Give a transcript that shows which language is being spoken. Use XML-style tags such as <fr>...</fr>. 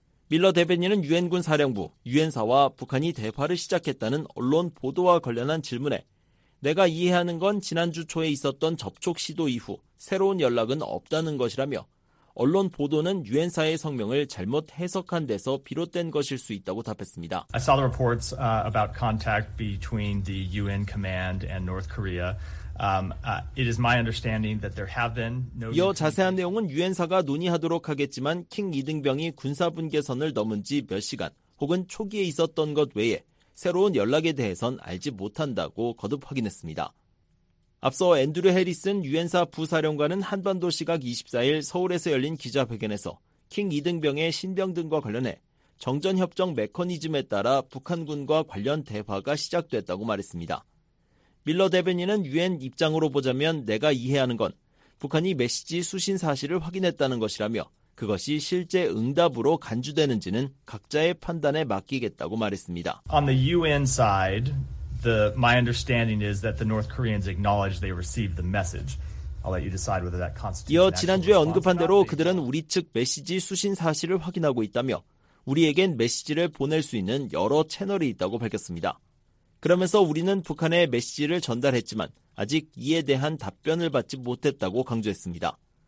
<ko>밀러 대변인은 유엔군 사령부, 유엔사와 북한이 대화를 시작했다는 언론 보도와 관련한 질문에 내가 이해하는 건 지난주 초에 있었던 접촉 시도 이후 새로운 연락은 없다는 것이라며 언론 보도는 유엔사의 성명을 잘못 해석한 데서 비롯된 것일 수 있다고 답했습니다.</ko> <en>I saw the reports about contact between the UN command and North Korea. It is my understanding that there have been no.</en> <ko>이어 자세한 내용은 유엔사가 논의하도록 하겠지만 킹 2등병이 군사 분계선을 넘은 지 몇 시간 혹은 초기에 있었던 것 외에 새로운 연락에 대해선 알지 못한다고 거듭 확인했습니다. 앞서 앤드류 해리슨 유엔사 부사령관은 한반도 시각 24일 서울에서 열린 기자회견에서 킹 2등병의 신병 등과 관련해 정전협정 메커니즘에 따라 북한군과 관련 대화가 시작됐다고 말했습니다. 밀러 대변인은 유엔 입장으로 보자면 내가 이해하는 건 북한이 메시지 수신 사실을 확인했다는 것이라며 그것이 실제 응답으로 간주되는지는 각자의 판단에 맡기겠다고 말했습니다.</ko> <en>On the UN side, my understanding is that the North Koreans acknowledge they received the message. I'll let you decide whether that constitutes.</en> <ko>이어 지난주에 언급한 대로 그들은 우리 측 메시지 수신 사실을 확인하고 있다며 우리에겐 메시지를 보낼 수 있는 여러 채널이 있다고 밝혔습니다. 그러면서 우리는 북한에 메시지를 전달했지만 아직 이에 대한 답변을 받지 못했다고 강조했습니다.</ko>